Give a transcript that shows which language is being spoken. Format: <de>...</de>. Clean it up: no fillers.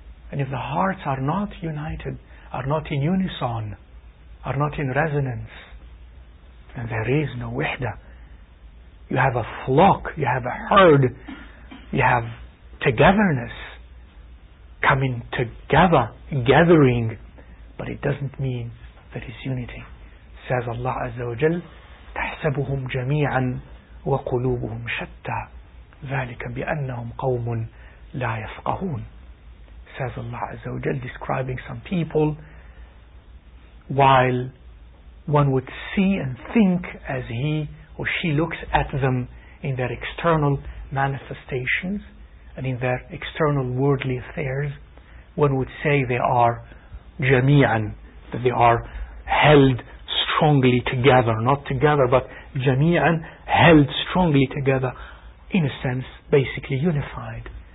<en>And if the hearts are not united, are not in unison, are not in resonance, then there is no wihda. You have a flock, you have a herd, you have togetherness, coming together, gathering, but it doesn't mean that it's unity. Says Allah Azza wa Jal,</en> <ar>تَحْسَبُهُمْ جَمِيعًا وَقُلُوبُهُمْ شَتَّى ذَلِكَ بِأَنَّهُمْ قَوْمٌ لَا يَفْقَهُونَ.</ar> <en>Says Allah Azza wa Jal, describing some people, while one would see and think as he or she looks at them in their external manifestations and in their external worldly affairs, one would say they are jami'an, that they are held strongly together, not together, but jami'an, held strongly together, in a sense, basically unified.</en>